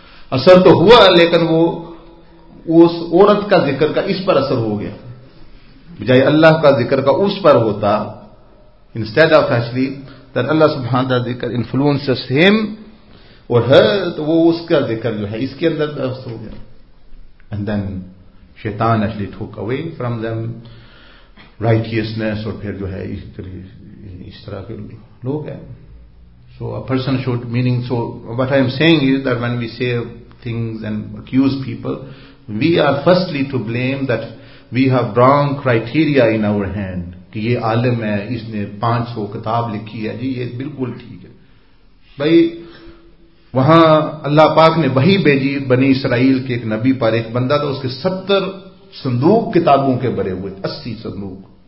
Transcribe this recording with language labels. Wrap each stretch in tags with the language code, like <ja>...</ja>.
<ur>اثر تو ہوا لیکن وہ اس عورت کا ذکر کا اس پر اثر ہو گیا بجائے اللہ کا ذکر کا اس پر ہوتا.</ur> <en>Instead of actually that</en> <ur>اللہ سبحانہ وتعالی ذکر influences him اور ہے تو وہ اس کا ذکر جو ہے اس کے اندر اثر ہو گیا.</ur> <en>And then Shaitan actually took away from them righteousness, or</en> <ur>phir jo hai is tarah ke log hain.</ur> <en>So a person should, meaning, so what I am saying is that when we say things and accuse people, we are firstly to blame that we have wrong criteria in our hand.</en> <ur>Ki ye alim hai, isne 500 kitab likhi hai, ji ye bilkul theek hai. Bhai, وہاں اللہ پاک نے وحی بھیجی بنی اسرائیل کے ایک نبی پر, ایک بندہ تھا, اس کے 70 صندوق کتابوں کے بھرے ہوئے, 80 صندوق.</ur>